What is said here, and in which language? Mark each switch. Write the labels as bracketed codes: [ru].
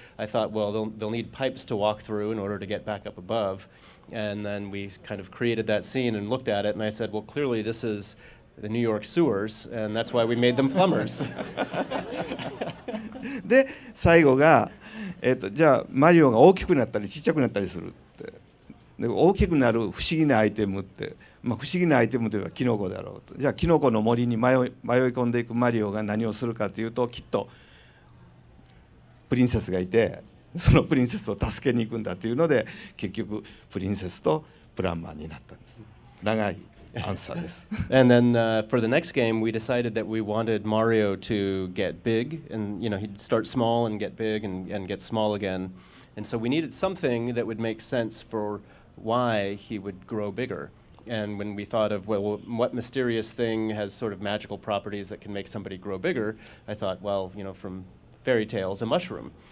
[en] I thought, well, they'll need pipes to walk through in order to get back up above. And then we kind of created that scene and looked at it, and I said, well, clearly this is... the New York sewers, and that's why we made them plumbers. [ja] で、最後が、じゃあマリオが大きくなったり小さくなったりするって、で大きくなる不思議なアイテムって、まあ、不思議なアイテムというかキノコだろうと。じゃあキノコの森に迷い込んでいくマリオが何をするかというと、きっとプリンセスがいて、そのプリンセスを助けに行くんだというので、結局プリンセスとプランマーになったんです。長いアンサーです。 [en] And then、for the next game we decided that we wanted Mario to get big and you know he'd start small and get big and get small again, and so we needed something that would make sense for why he would grow biggerAnd when we thought of, well, what mysterious thing has sort of magical properties that can make somebody grow bigger, I thought, well, you know, from fairy tales, a mushroom.